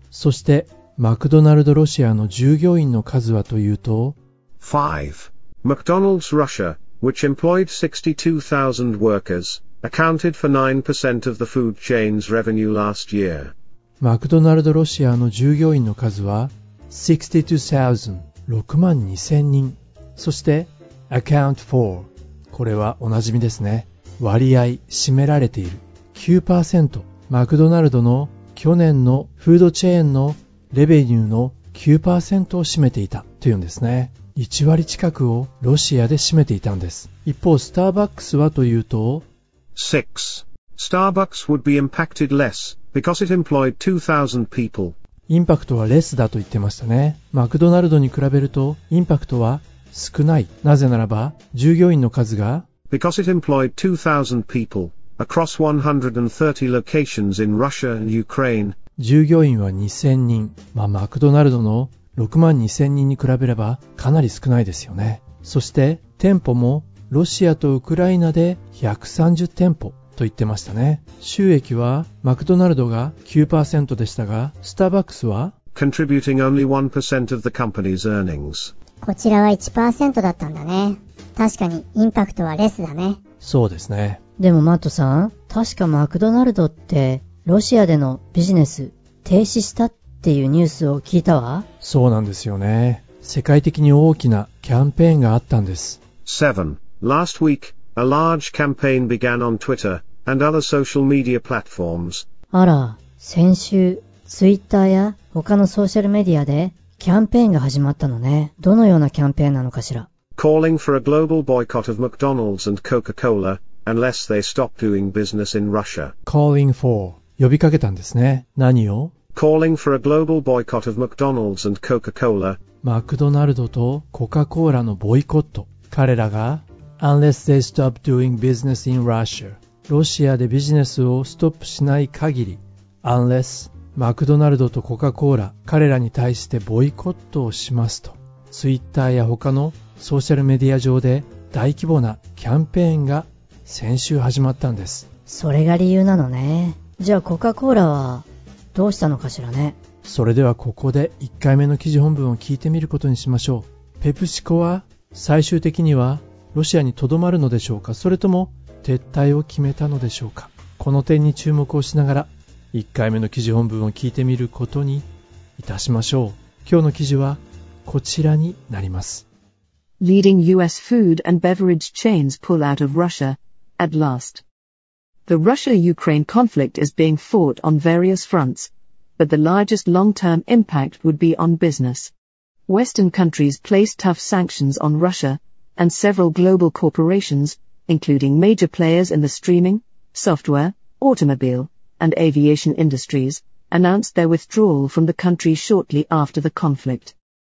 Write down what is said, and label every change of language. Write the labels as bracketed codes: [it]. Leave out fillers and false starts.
[ja] そしてマクドナルドロシアの従業員の数はというと、 [en] 5. McDonald's Russia, which employed 62,000 workers, accounted for 9% of the food chain's revenue last year. [ja] マクドナルドロシアの従業員の数は62,000、6万2000人。そして [en] account for、 [ja] これはおなじみですね。割合、占められている 9%。マクドナルドの去年のフードチェーンのレベニューの 9% を占めていたというんですね。 1割近くをロシアで占めていたんです。一方、スターバックスはというと、 [en] 6. Starbucks would be impacted less because it employed 2,000 people. [ja] インパクトはレスだと言ってましたね。マクドナルドに比べると、インパクトは少ない。なぜならば、従業員の数が、 [en] because it employed 2,000 people across 130 locations in Russia and Ukraine. [ja] 従業員は2,000人。まあ、マクドナルドの6万2千人に比べればかなり少ないですよね。そして店舗もロシアとウクライナで130店舗と言ってましたね。収益はマクドナルドが 9% でしたが、スターバックスは [en] Contributing only 1% of the company's earnings. [ja] こちらは 1% だったんだね。確かにインパクトはレスだね。そうですね。でもマットさん、確かマクドナルドってロシアでのビジネス停止したってっていうニュースを聞いたわ。そうなんですよね。世界的に大きなキャンペーンがあったんです。 [en] 7. Last week, a large campaign began on Twitter and other social media platforms. [ja] あら、先週、Twitter や他のソーシャルメディアでキャンペーンが始まったのね。どのようなキャンペーンなのかしら。 [en] Calling for a global boycott of McDonald's and Coca-Cola unless they stop doing business in Russia. Calling for、 [ja] 呼びかけたんですね。何を？ [en] Calling for a global boycott of McDonald's and Coca-Cola. [ja] マクドナルドとコカ・コーラのボイコット。彼らが [en] Unless they stop doing business in Russia. [ja] ロシアでビジネスをストップしない限り、 Unless マクドナルドとコカ・コーラ彼らに対してボイコットをしますと。ツイッターや他のソーシャルメディア上で大規模なキャンペーンが先週始まったんです。それが理由なのね。じゃあコカ・コーラはどうしたのかしらね。それではここで1回目の記事本文を聞いてみることにしましょう。ペプシコは最終的にはロシアにとどまるのでしょうか、それとも撤退を決めたのでしょうか。この点に注目をしながら1回目の記事本文を聞いてみることにいたしましょう。今日の記事はこちらになります。 [en] Leading US food and beverage chains pull out of Russia at last. The Russia-Ukraine conflict is being fought on various frontsBut the largest long-term impact would be on business. Western countries placed tough sanctions on Russia, and several global corporations, including major players in the streaming, software, automobile, and aviation industries, announced their withdrawal from the country shortly after the conflict.